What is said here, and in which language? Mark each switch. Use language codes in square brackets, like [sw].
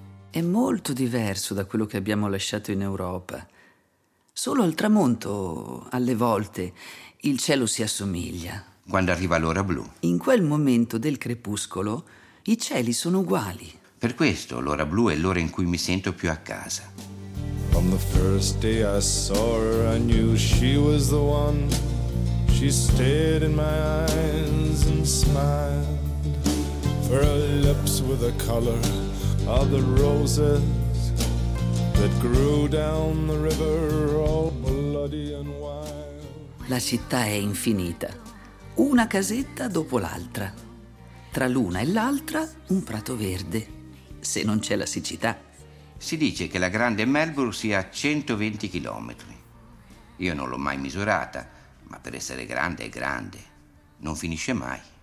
[it] È molto diverso da quello che abbiamo lasciato in Europa. Solo al tramonto, alle volte, il cielo si assomiglia. Quando arriva l'ora blu. In quel momento del crepuscolo, i cieli sono uguali. Per questo l'ora blu è l'ora in cui mi sento più a casa. [en] From the first day I saw her, I knew she was the one. She stared in my eyes and smiled. For her lips were the color of the roses that grew down the river, all bloody and wild. [it] La città è infinita, una casetta dopo l'altra. Tra l'una e l'altra un prato verde, se non c'è la siccità. Si dice che la grande Melbourne sia a 120 chilometri. Io non l'ho mai misurata, ma per essere grande è grande. Non finisce mai.